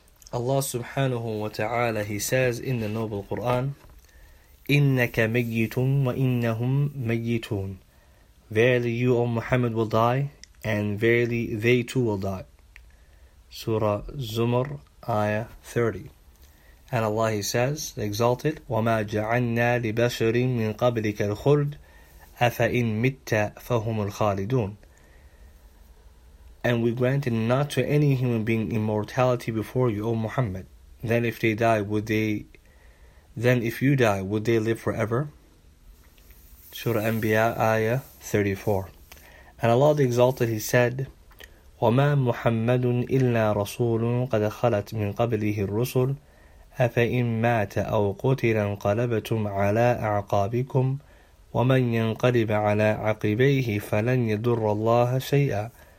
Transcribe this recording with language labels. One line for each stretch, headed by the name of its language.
English: Allah subhanahu wa ta'ala, He says in the Noble Qur'an,
Arabic: إِنَّكَ مَيِّتٌ وَإِنَّهُمْ مَيِّتُونَ.
English: Verily you, O Muhammad, will die, and verily they too will die. Surah Zumar, Ayah 30. And Allah, He says, the Exalted,
Arabic: وَمَا جَعَلْنَا لِبَشَرٍ مِّن قَبْلِكَ الْخُلْدِ أَفَإِن مِتَّ فَهُمُ الْخَالِدُونَ.
English: And we granted not to any human being immortality before you, O Muhammad. Then if you die, would they live forever? Surah Anbiya, Ayah 34. And Allah the Exalted, He said,
Arabic: وَمَا مُحَمَّدٌ إِلَّا رَسُولٌ قَدْ خَلَتْ مِنْ قَبْلِهِ الرُّسُلُ أَفَإِن مَاتَ أَوْ قُتِلَ انْقَلَبْتُمْ عَلَىٰ أَعْقَابِكُمْ وَمَنْ يَنْقَلِبَ عَلَىٰ عَقِبَيْهِ فَلَنْ يَضُرَّ اللَّهَ شَيْئًا.